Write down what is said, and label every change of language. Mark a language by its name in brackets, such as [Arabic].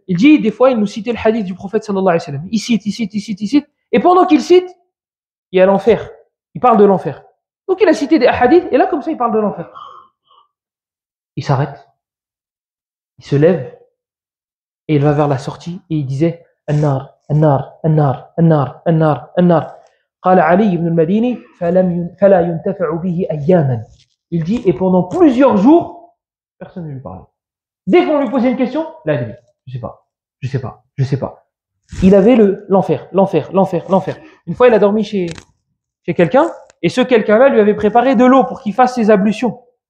[French] Il dit, des fois, il nous citait le hadith du prophète sallallahu alayhi wa sallam. Il cite. Et pendant qu'il cite, il y a l'enfer. Il parle de l'enfer. Donc il a cité des hadiths, et là, comme ça, il parle de l'enfer. Il s'arrête. Il se lève et il va vers la sortie et il disait « Annar, [Arabic] النار النار النار النار النار. قال علي بن المديني فلا ينتفع به اياما. [French] Il dit, et pendant plusieurs jours, personne ne lui parlait. Dès qu'on lui posait une question, là, il dit, je sais pas. Il avait l'enfer. Une fois, il a dormi chez quelqu'un, et ce quelqu'un-là lui avait préparé de l'eau pour qu'il fasse ses ablutions.